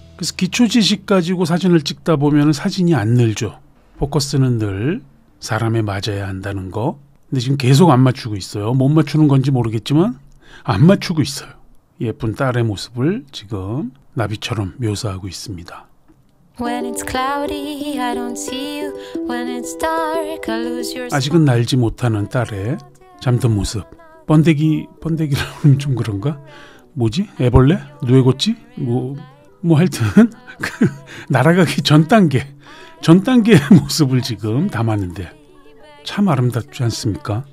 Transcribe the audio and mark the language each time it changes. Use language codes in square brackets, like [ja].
[ko] 그래서 기초 지식 가지고 사진을 찍다 보면 사진이 안 늘죠. 포커스는 늘 사람에 맞아야 한다는 거. 근데 지금 계속 안 맞추고 있어요. 못 맞추는 건지 모르겠지만 안 맞추고 있어요. 예쁜 딸의 모습을 지금 나비처럼 묘사하고 있습니다. [en] When it's cloudy, I don't see you. When it's dark, I lose your soul. [ko] 아직은 날지 못하는 딸의 잠든 모습. 번데기, 번데기라고 하면 좀 그런가? 뭐지? 애벌레? 누에고치? 뭐 하여튼 날아가기 전 단계의 모습을 지금 담았는데 참 아름답지 않습니까?